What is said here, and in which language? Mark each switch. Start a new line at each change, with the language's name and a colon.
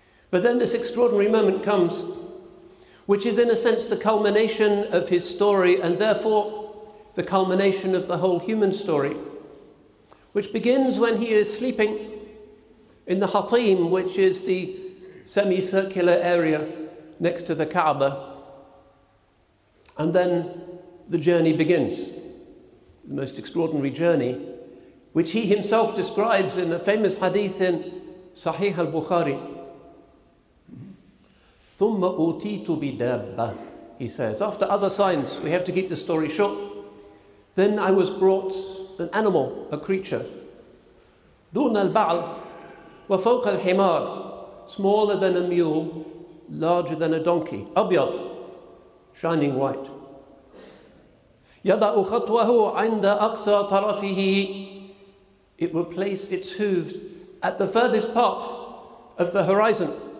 English: But then this extraordinary moment comes, which is in a sense the culmination of his story, and therefore the culmination of the whole human story, which begins when he is sleeping in the Hatim, which is the semicircular area next to the Kaaba. And then the journey begins, the most extraordinary journey, which he himself describes in a famous hadith in Sahih al-Bukhari.
Arabic: ثُمَّ أُوْتِيتُ بِدَابَّةٍ,
English: he says. After other signs, we have to keep the story short. Then I was brought an animal, a creature.
Arabic: دُونَ الْبَعْلِ وَفَوْقَ الْحِمَارِ,
English: smaller than a mule, larger than a donkey.
Arabic: أَبْيَضْ,
English: shining white.
Arabic: يَضَعُ خَطْوَهُ عِنْدَ أَقْصَى طَرَفِهِ,
English: it will place its hooves at the furthest part of the horizon.